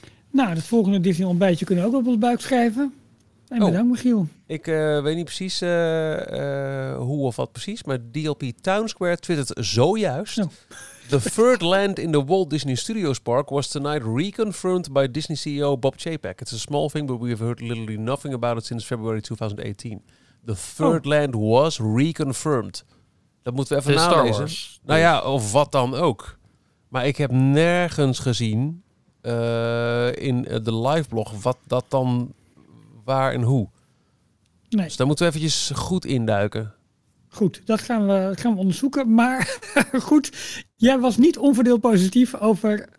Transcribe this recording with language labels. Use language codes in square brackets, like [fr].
[nl] Nou, het volgende Disney ontbijtje kunnen we ook op ons buik schrijven. En bedankt, Michiel. Ik weet niet precies hoe of wat precies, maar DLP Town Square twittert zojuist. [en] The third land in the Walt Disney Studios park was tonight reconfirmed by Disney CEO Bob Chapek. It's a small thing, but we have heard literally nothing about it since February 2018. The third land was reconfirmed. [nl] Dat moeten we even nalezen. Nou ja, of wat dan ook. Maar ik heb nergens gezien in de live blog wat dat dan waar en hoe. Nee. Dus daar moeten we eventjes goed induiken. Goed, dat gaan we onderzoeken. Maar goed, jij was niet onverdeeld positief over...